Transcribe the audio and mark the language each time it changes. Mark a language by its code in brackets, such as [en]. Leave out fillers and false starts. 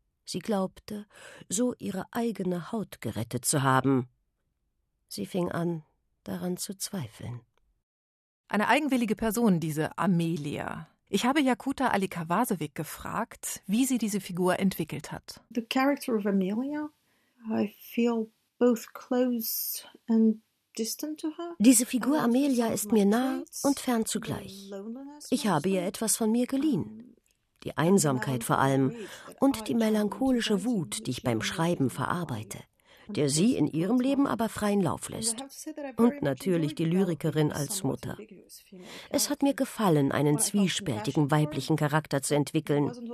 [de] Sie glaubte, so ihre eigene Haut gerettet zu haben. Sie fing an, daran zu zweifeln. Eine eigenwillige Person, diese Amelia. Ich habe Jakuta Alikavasevic gefragt, wie sie diese Figur entwickelt hat. [en] The character of Amelia, I feel both close and distant to her. [de] Diese Figur Amelia ist mir nah und fern zugleich. Ich habe ihr etwas von mir geliehen. Die Einsamkeit vor allem und die melancholische Wut, die ich beim Schreiben verarbeite, der sie in ihrem Leben aber freien Lauf lässt. Und natürlich die Lyrikerin als Mutter. Es hat mir gefallen, einen zwiespältigen weiblichen Charakter zu entwickeln.